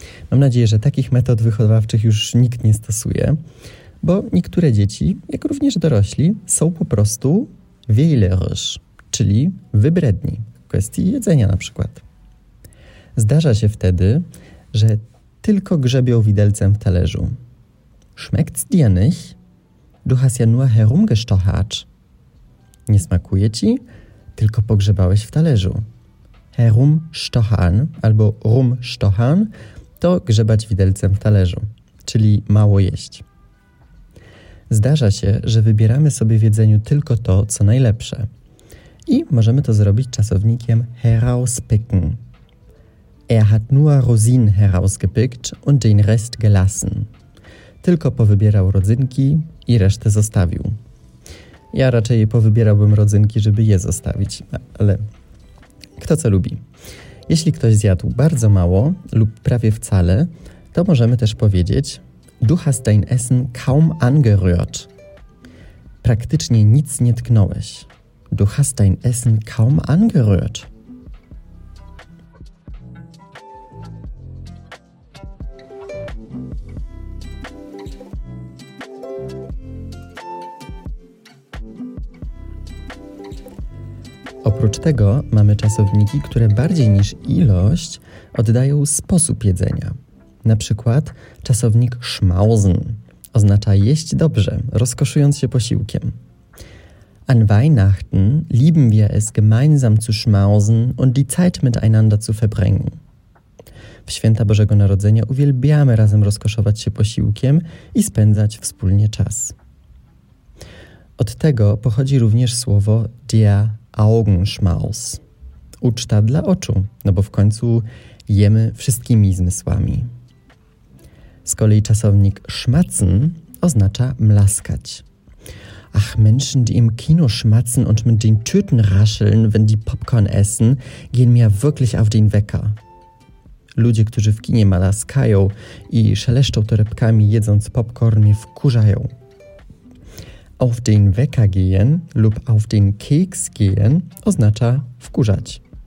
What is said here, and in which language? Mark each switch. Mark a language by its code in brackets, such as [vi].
[pl] Mam nadzieję, że takich metod wychowawczych już nikt nie stosuje, bo niektóre dzieci, jak również dorośli, są po prostu wählerisch, czyli wybredni w kwestii jedzenia na przykład. Zdarza się wtedy, że tylko grzebią widelcem w talerzu. [de] Schmeckt's dir nicht? Du hast ja nur herumgestochert. [pl] Nie smakuje ci? Tylko pogrzebałeś w talerzu. Herumstochern albo rumstochern to grzebać widelcem w talerzu, czyli mało jeść. Zdarza się, że wybieramy sobie w jedzeniu tylko to, co najlepsze. I możemy to zrobić czasownikiem herauspicken. [de] Er hat nur Rosinen herausgepickt und den Rest gelassen. [pl] Tylko powybierał rodzynki i resztę zostawił. Ja raczej powybierałbym rodzynki, żeby je zostawić, ale kto co lubi. Jeśli ktoś zjadł bardzo mało lub prawie wcale, to możemy też powiedzieć [de] Du hast dein Essen kaum angerührt. [pl] Praktycznie nic nie tknąłeś. [de] Du hast dein Essen kaum angerührt. [pl] Oprócz tego mamy czasowniki, które bardziej niż ilość oddają sposób jedzenia. Na przykład czasownik schmausen oznacza jeść dobrze, rozkoszując się posiłkiem. [de] An Weihnachten lieben wir es, gemeinsam zu schmausen und die Zeit miteinander zu verbringen. [pl] W święta Bożego Narodzenia uwielbiamy razem rozkoszować się posiłkiem i spędzać wspólnie czas. Od tego pochodzi również słowo der Augenschmaus. Uczta dla oczu, no bo w końcu jemy wszystkimi zmysłami. Z kolei czasownik schmatzen oznacza mlaskać. [de] Ach, Menschen, die im Kino schmatzen und mit den Tüten rascheln, wenn die Popcorn essen, gehen mir wirklich auf den Wecker. [pl] Ludzie, którzy w kinie malaskają i szeleszczą torebkami, jedząc popcorn, mnie wkurzają. [de] Auf den Wecker gehen [pl] lub [de] auf den Keks gehen [pl] oznacza wkurzać.